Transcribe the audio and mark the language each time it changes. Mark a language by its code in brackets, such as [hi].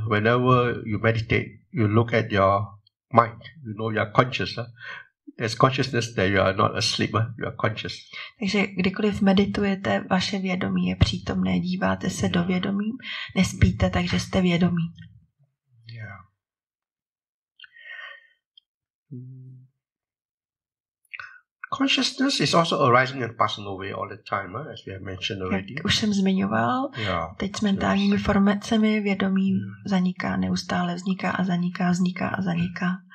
[en] Whenever you meditate, you look at your mind, you know you are conscious. There's consciousness there, you are not asleep, you are conscious. [cs] Takže kdykoliv meditujete, vaše vědomí je přítomné, díváte se do vědomí, nespíte, takže jste vědomí. [en] Consciousness is also arising and passing away all the time, as we have mentioned already. [cs] Jak už jsem zmiňoval, teď s mentálními formacemi vědomí zaniká, neustále vzniká a zaniká, vzniká a zaniká.